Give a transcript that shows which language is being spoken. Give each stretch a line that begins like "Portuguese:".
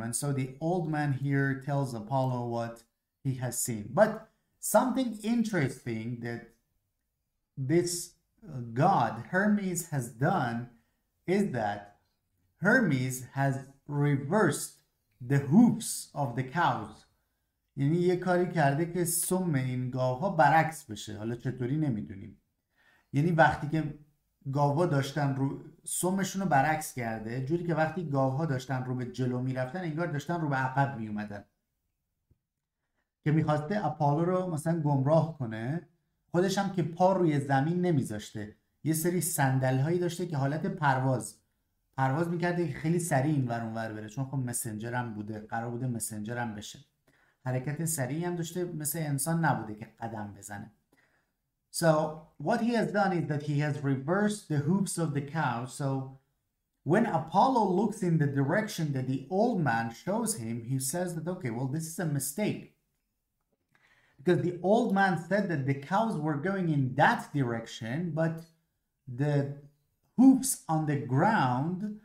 English: And so the old man here tells Apollo what he has seen. But something interesting that this god Hermes has done is that Hermes has reversed the hoofs of the cows.
Persian: یعنی یه کاری کرده که سم این گاوها برعکس بشه. حالا چطوری نمیدونیم. یعنی وقتی که گاوها داشتن رو سمشون رو برعکس کرده، جوری که وقتی گاوها داشتن رو به جلو میرفتن انگار داشتن رو به عقب میومدن. که میخواسته اپالو رو مثلا گمراه کنه، خودش هم که پا روی زمین نمیذاشته، یه سری سندل هایی داشته که حالت پرواز میکرده که خیلی سریع این ور اون ور بره، چون خب مسنجر هم بوده، قرار بوده مسنجر هم بشه، حرکت سریعی هم داشته، مثل انسان نبوده که قدم بزنه.
English: So what he has done is that he has reversed the hoofs of the cow. So when Apollo looks in the direction that the old man shows him, he says that, okay, well, this is a mistake. Because the old man said that the cows were going in that direction, but the hoofs on the ground